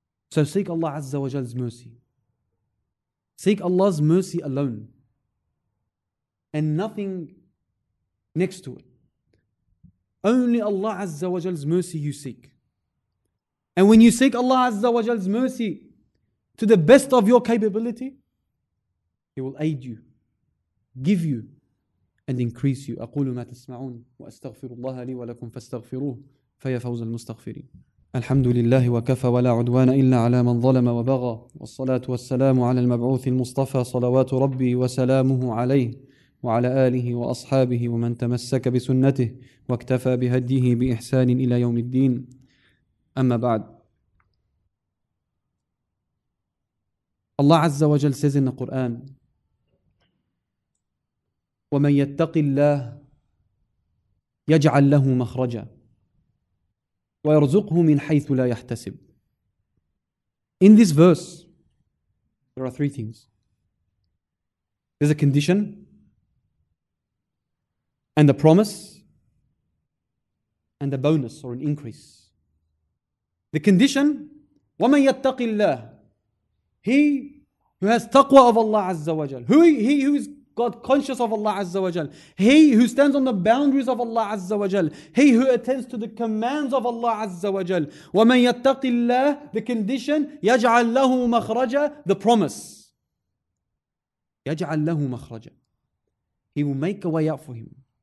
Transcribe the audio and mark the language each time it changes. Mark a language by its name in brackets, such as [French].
[English] So seek Allah Azza wa Jal's mercy. Seek Allah's mercy alone and nothing next to it. Only Allah Azza wa Jal's mercy you seek. And when you seek Allah Azza wa Jal's mercy to the best of your capability, He will aid you, give you, and increase you. [Arabic] أقول ما تسمعون وأستغفر الله لي ولكم فاستغفروه فيا فوز المستغفرين. الحمد لله وكفى ولا عدوان إلا على من ظلم وبغى والصلاة والسلام على المبعوث المصطفى صلوات ربي وسلامه عليه وعلى آله وأصحابه ومن تمسك بسنته واكتفى بهديه بإحسان إلى يوم الدين أما بعد الله عز وجل [English] says in the Quran [Arabic] وَمَنْ يَتَّقِ اللَّهِ يَجْعَلْ لَهُ مَخْرَجًا وَيَرْزُقْهُ مِنْ حَيْثُ لَا يَحْتَسِبْ [English] In this verse, there are three things. There's a condition and a promise and a bonus or an increase. The condition, [Arabic] وَمَنْ يَتَّقِ اللَّهِ [English] He who has taqwa of Allah Azza wa Jal, he who is God conscious of Allah Azza wa Jal, he who stands on the boundaries of Allah Azza wa Jal, he who attends to the commands of Allah Azza wa Jal, وَمَنْ يَتَّقِ اللَّهِ The condition, [Arabic] يَجْعَلْ لَهُ مَخْرَجًا [English] The promise, يَجْعَلْ لَهُ مَخْرَجًا He will make a way out for him.